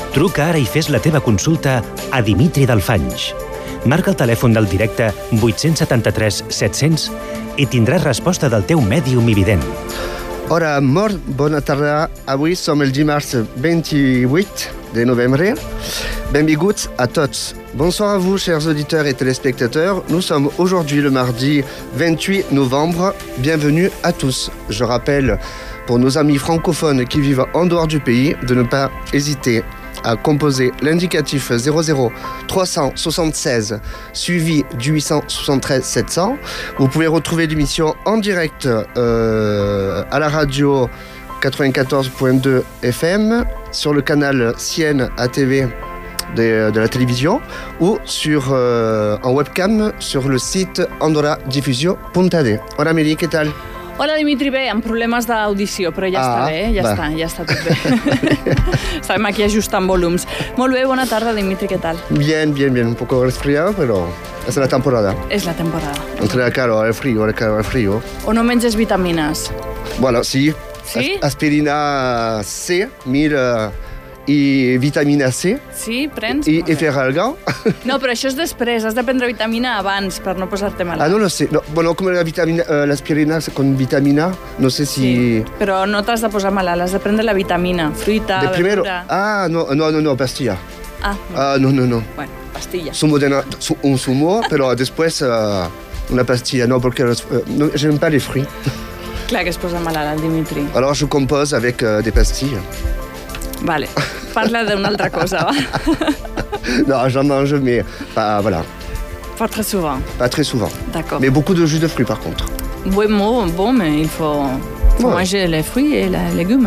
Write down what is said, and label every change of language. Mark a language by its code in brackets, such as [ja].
[ca] Truca ara i fes la teva consulta a Dimitri Dalfanys. Marca el telèfon del directe 873-700 i tindràs resposta del teu mèdium i vident. Hola, amor, bona tarda. Avui som el dimarts 28 de novembre. Benvinguts a tots. [fr] Bonsoir a vous, chers auditeurs et téléspectateurs. Nous sommes aujourd'hui le mardi 28 novembre. Bienvenue à tous. Je rappelle pour nos amis francophones qui vivent en dehors du pays de ne pas hésiter à composer l'indicatif 00-376 suivi du 873-700. Vous pouvez retrouver l'émission en direct à la radio 94.2 FM, sur le canal CN ATV de la télévision ou sur, en webcam sur le site Andorra Diffusio Puntade. Hola Amélie, qu'est-ce que [ca] Hola, Dimitri, bé, amb problemes d'audició, però ja està bé, ja està tot bé. Estàvem aquí ajustant volums. Molt bé, bona tarda, Dimitri, què tal? [es] Bien, un poco resfriado, pero es la temporada. [ca] És la temporada. [es] Entre el calor, el frío, [ca] O no menges vitamines? [es] Bueno, sí. [ca] Sí? Aspirina C, mira, i vitamina C. Sí, prens. I ferralga. No, però això és després, has de prendre vitamina abans per no posar-te malalt. [es] Ah, no lo sé. No. Bueno, [ca] com la vitamina, l'aspirina [es] con vitamina, no sé si... [ca] Sí, però no t'has de posar malalt, has de prendre la vitamina, fruita, de verdura... [es] Primero. Ah, no, pastilla. Ah, bueno. No. Bueno, pastilla. Sumo de un zumo, [ca] però després una pastilla, no, perquè no, [fr] je n'aime pas les fruits. [ca] Clar que es posa malalt el Dimitri. [fr] Alors je compose avec des pastilles. [ca] Vale, parla d'una altra cosa, va. [fr] No, j'en mange, mais pas, voilà. Pas très souvent. Pas très souvent. D'accord. Mais beaucoup de jus de fruits, par contre. Oui, bon, mais il faut manger les fruits et les légumes.